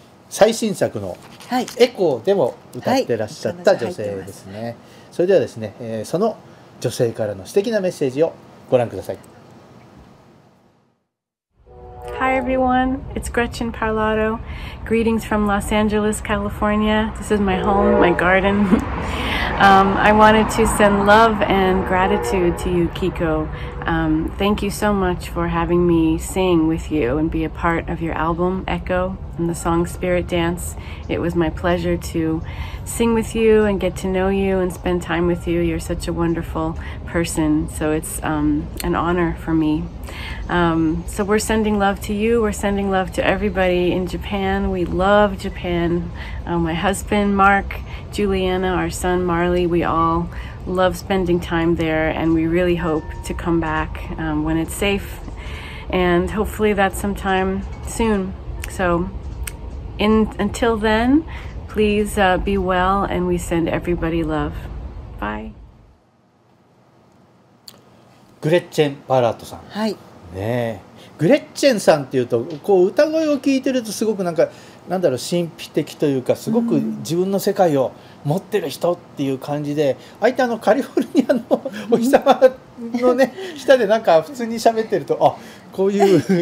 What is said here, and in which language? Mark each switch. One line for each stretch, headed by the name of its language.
Japanese: 最新作のエコーでも歌ってらっしゃった女性ですね、それではですね、その女性からの素敵なメッセージをご覧ください。
English: Hi everyone, it's Gretchen Parlato. Greetings from Los Angeles, California. This is my home, my garden. I wanted to send love and gratitude to you, Kiko. Thank you so much for having me sing with you and be a part of your album, Echo, and the song Spirit Dance. It was my pleasure to sing with you and get to know you and spend time with you. You're such a wonderful person, so it's an honor for me. So we're sending love to you. We're sending love to everybody in Japan. We love Japan. My husband, Mark, Juliana, our son, Marley, we all love spending time there, and we really hope to come back when it's safe, and hopefully that's sometime soon. So until then, please be well, and we send everybody love. Bye.
Japanese: グレッチェン・パラートさん。はい。ねえ、グレッチェンさんっていうと、こう歌声を聞いてるとすごくなんか、なんだろう、神秘的というか、すごく自分の世界を持ってる人っていう感じで、相手あのカリフォルニアのお日様のね下でなんか普通に喋ってると、あ、こういう